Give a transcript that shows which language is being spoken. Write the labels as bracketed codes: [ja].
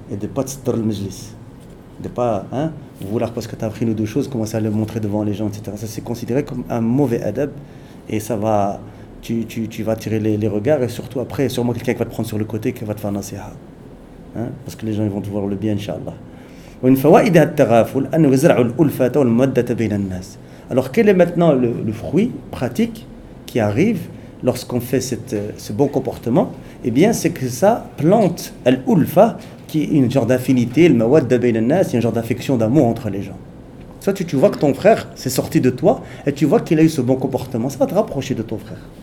[fr] Et de ne pas tstar le majlis. De ne pas vouloir, parce que tu as appris une ou deux choses, commencer à le montrer devant les gens, etc. Ça, c'est considéré comme un mauvais adab. Et ça va. Tu vas tirer les regards, et surtout après, sûrement quelqu'un qui va te prendre sur le côté, qui va te faire nasiha. Hein? Parce que les gens ils vont te voir le bien, inshallah. [ar] ومن فوائد التغافل أن يزرع الألفة والمودة بين الناس. [fr] Alors quel est maintenant le fruit pratique qui arrive lorsqu'on fait ce bon comportement? Eh bien, c'est que ça plante l'ulfa, qui est une genre d'affinité, le [ar] mawadda bayna nas, [fr] un genre d'affection, d'amour entre les gens. Soit tu vois que ton frère s'est sorti de toi et tu vois qu'il a eu ce bon comportement, ça va te rapprocher de ton frère.